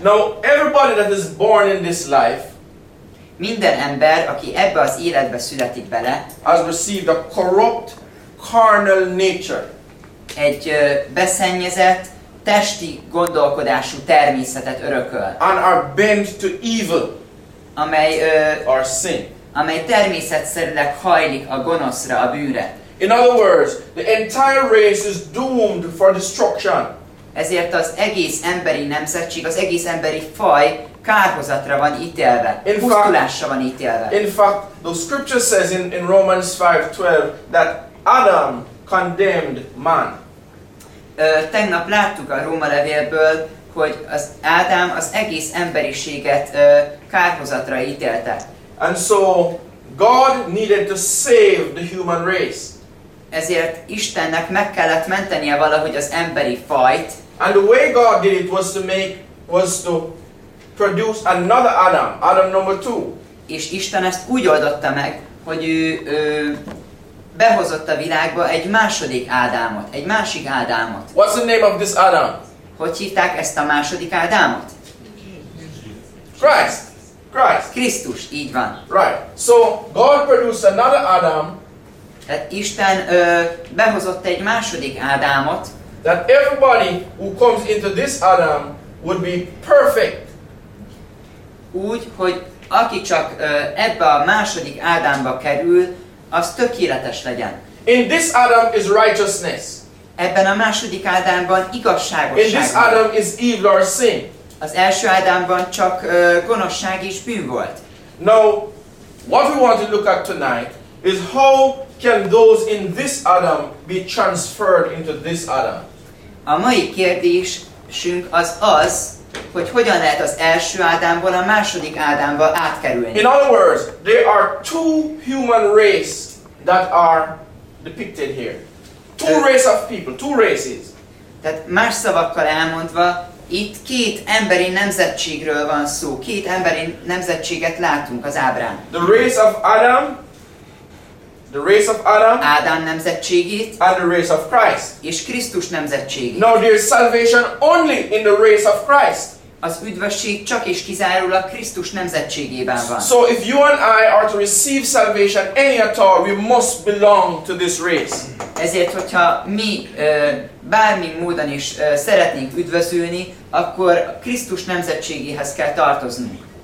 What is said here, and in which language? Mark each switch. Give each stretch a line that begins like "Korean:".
English: Now everybody that is born in this life,
Hungarian: minden ember, aki ebbe az életbe születik bele,
English: has received a corrupt carnal nature.
Hungarian: Egy beszennyezett testi gondolkodású természetet örököl.
English: And are bent to evil,
Hungarian: amely
English: or sin,
Hungarian: amely természetszerűleg hajlik a gonoszra, a bűnre.
English: In other words, the entire race is doomed for destruction.
Hungarian: Ezért az egész emberi nemzetség, az egész emberi faj kárhozatra van ítélve, pusztulásra van ítélve.
English: In fact, the scripture says in Romans 5:12 that Adam condemned man.
Hungarian: Tegnap láttuk a Róma levélből, hogy az Ádám az egész emberiséget kárhozatra ítélte.
English: And so God needed to save the human race.
Hungarian: Ezért Istennek meg kellett mentenie valahogy az emberi fajt.
English: And the way God did it was to make, was to produce another Adam, Adam number two.
Hungarian: És Isten ezt úgy oldotta meg, hogy ő behozott a világba egy második Ádámot, egy másik Ádámot.
English: What's the name of this Adam?
Hungarian: Hogy hívták ezt a második Ádámot?
English: Christ. Christ.
Hungarian: Krisztus, így van.
English: Right. So God produced another Adam.
Hungarian: Tehát Isten behozott egy második Ádámot.
English: That everybody who comes into this Adam would be perfect.
Hungarian: Úgy, hogy aki csak ebbe a második Ádámba kerül, az tökéletes legyen.
English: In this Adam is righteousness.
Hungarian: Ebben a második Ádámban igazságosság.
English: In this Adam is evil or sin.
Hungarian: Az első Ádámban csak gonoszság és bűn volt.
English: Now, what we want to look at tonight is how can those in this Adam be transferred into this Adam.
Hungarian: A mai kérdésünk az, hogy hogyan lehet az első Ádámból a második Ádámba átkerülni.
English: In other words, there are two human races that are depicted here. Two race of people, two races.
Hungarian: Tehát más szavakkal elmondva, itt két emberi nemzetségről van szó. Két emberi nemzetséget látunk az ábrán.
English: The race of Adam, the race of Adam,
Hungarian: Ádám nemzetségét,
English: and the race of Christ,
Hungarian: és Krisztus nemzetségét.
English: Now there is salvation only in the race of Christ.
Hungarian: Az üdvösség csak és kizárólag Krisztus nemzetségében van.
English: So if you and I are to receive salvation any at all, we must belong to this race.
Hungarian: Ezért, hogyha mi bármi módon is szeretnénk üdvözülni, akkor Krisztus nemzetségéhez kell tartozni.